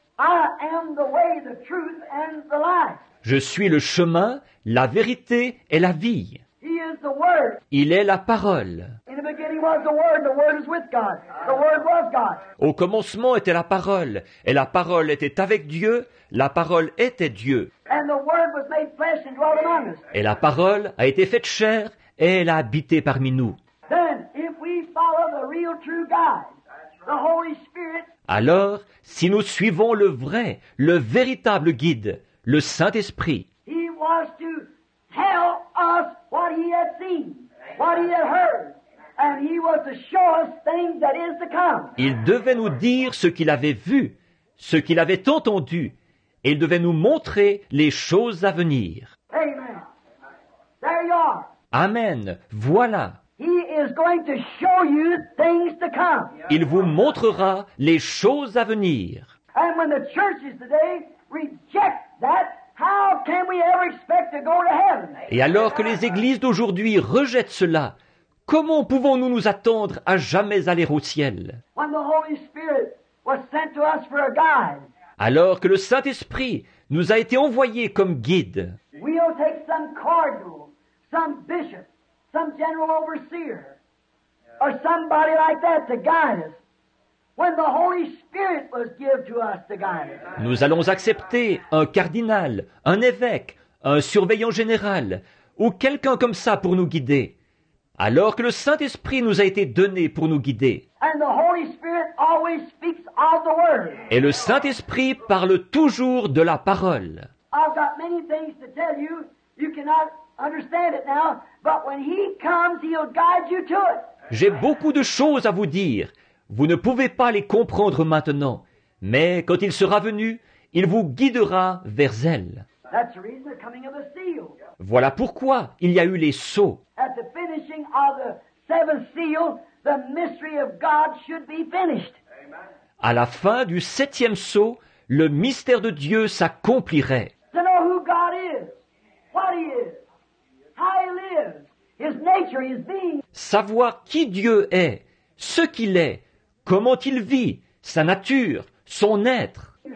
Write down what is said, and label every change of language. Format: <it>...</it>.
<en>I am the way, the truth, and the life.</en> <fr>Je suis le chemin, la vérité et la vie.</fr> <en>He is the word.</en> <fr>Il est la parole.</fr> <en>In the beginning was the word is with God. The word was God.</en> <fr>Au commencement était la parole, et la parole était avec Dieu, la parole était Dieu.</fr> <en>And the word was made flesh and dwelt among us.</en> <fr>Et la parole a été faite chair et elle a habité parmi nous.</fr> <en>Then if we follow the real true God, the Holy Spirit,</en> <fr>alors si nous suivons le vrai, le véritable guide, le Saint-Esprit,</fr> <en>he was to tell us what he had seen, what he had heard, and he was to show us things that is to come.</en> <fr>Il devait nous dire ce qu'il avait vu, ce qu'il avait entendu, et il devait nous montrer les choses à venir.</fr> <en>Amen. There you are.</en> <fr>Amen. Voilà.</fr> <en>He is going to show you things to come.</en> <fr>Il vous montrera les choses à venir.</fr> <en>And when the churches today reject that, how can we ever expect to go to heaven?</en> <fr>Et alors que les églises d'aujourd'hui rejettent cela, comment pouvons-nous nous attendre à jamais aller au ciel?</fr> <en>When the Holy Spirit was sent to us for a guide.</en> <fr>Alors que le Saint-Esprit nous a été envoyé comme guide.</fr> <en>We'll take some cardinal, some bishop, some general overseer, or somebody like that to guide us. When the Holy Spirit was given to us to guide us.</en> <fr>Nous allons accepter un cardinal, un évêque, un surveillant général ou quelqu'un comme ça pour nous guider, alors que le Saint-Esprit nous a été donné pour nous guider.</fr> <en>And the Holy Spirit always speaks of the word.</en> <fr>Et le Saint-Esprit parle toujours de la parole.</fr> <en>I've got many things to tell you. You cannot understand it now, but when he comes, he'll guide you to it.</en> <fr>J'ai beaucoup de choses à vous dire. Vous ne pouvez pas les comprendre maintenant, mais quand il sera venu, il vous guidera vers elles.</fr> <en>That's the reason the coming of the seal.</en> <fr>Voilà pourquoi il y a eu les sceaux.</fr> <en>At the finishing of the seventh seal, the mystery of God should be finished.</en> <fr>À la fin du septième sceau, le mystère de Dieu s'accomplirait.</fr> <en>To know who God is, what he is, how he lives, his nature, his being.</en> <fr>Savoir qui Dieu est, ce qu'il est, comment il vit, sa nature, son être.</fr>